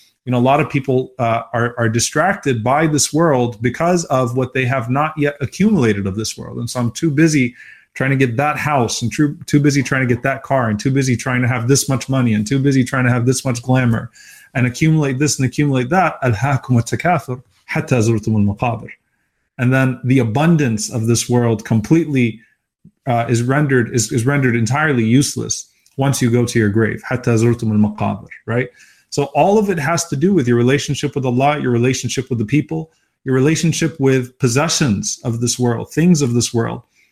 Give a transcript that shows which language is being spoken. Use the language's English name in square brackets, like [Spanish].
[English] You know, a lot of people are distracted by this world because of what they have not yet accumulated of this world. And so I'm too busy trying to get that house, and too busy trying to get that car, and too busy trying to have this much money, and too busy trying to have this much glamour, and accumulate this and accumulate that. [Arabic] أَلْهَاكُمُ التَّكَاثُرُ حَتَّى زُرْتُمُ الْمَقَابِرِ. [English] And then the abundance of this world completely is rendered entirely useless once you go to your grave. [Arabic] حَتَّى زُرْتُمُ الْمَقَابِرِ, right? [English] So all of it has to do with your relationship with Allah, your relationship with the people, your relationship with possessions of this world, things of this world.